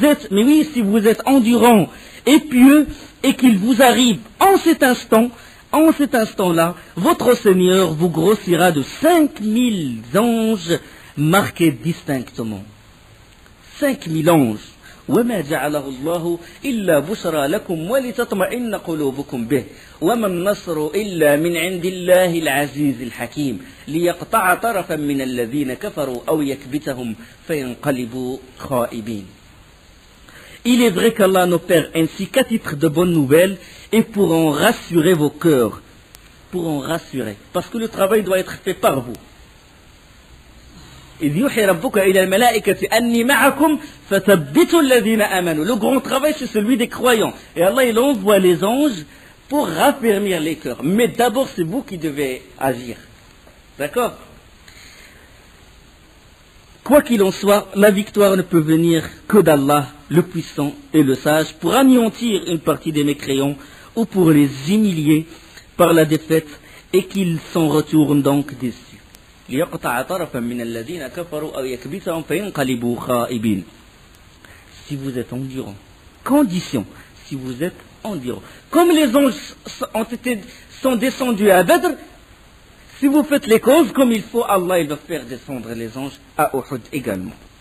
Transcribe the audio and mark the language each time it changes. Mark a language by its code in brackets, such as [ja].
[fr] Mais si vous êtes endurant et pieux et qu'il vous arrive en cet instant-là, votre Seigneur vous grossira de 5000 anges marqués distinctement. 5000 anges. [ar] وما جعله الله إلا بشرى لكم ولتطمئن قلوبكم به وما النصر إلا من عند الله العزيز الحكيم ليقطع طرفا من الذين كفروا أو يكبتهم فينقلبوا خائبين. [fr] Il est vrai qu'Allah n'opère ainsi qu'à titre de bonne nouvelle et pour en rassurer vos cœurs, pour en rassurer, parce que le travail doit être fait par vous. [ar] إذ يوحي ربك إلى الملائكة أني معكم فثبتوا الذين آمنوا. [fr] Le grand travail c'est celui des croyants. Et Allah il envoie les anges pour raffermir les cœurs. Mais d'abord c'est vous qui devez agir. D'accord ? Quoi qu'il en soit, la victoire ne peut venir que d'Allah, le puissant et le sage, pour anéantir une partie des mécréants ou pour les humilier par la défaite et qu'ils s'en retournent donc déçus. [ar] ليقطع طرفا من الذين كفروا أو يكبتهم فينقلبوا خائبين. [fr] Si vous êtes endurant. Condition. Si vous êtes endurant. Comme les anges sont descendus à Badr, si vous faites les causes comme il faut, Allah il va faire descendre les anges à Uhud également.